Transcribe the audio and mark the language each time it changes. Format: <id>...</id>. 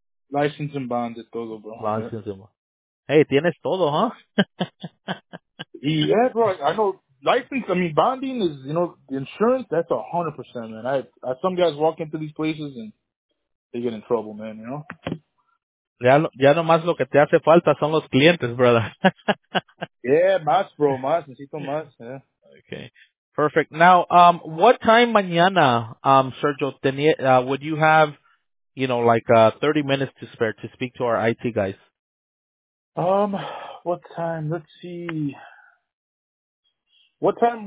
<en>License and bonded,</en> <es>todo,</es> <en>bro. License and bonded. Hey,</en> <es>tienes todo,</es> <en>huh? Yeah, bro. I know. License, I mean, bonding is, you know, the insurance, that's 100%, man. I some guys walk into these places and they get in trouble, man, you know?</en> <es>Ya nomás lo que te hace falta son los clientes, brother. Yeah, más, bro. Más. Necesito más. Yeah.</es> <en>Okay. Perfect. Now, what time</en> <es>mañana,</es> <en>Sergio, would you have, you know, like 30 minutes to spare to speak to our IT guys? What time? Let's see. What time?</en>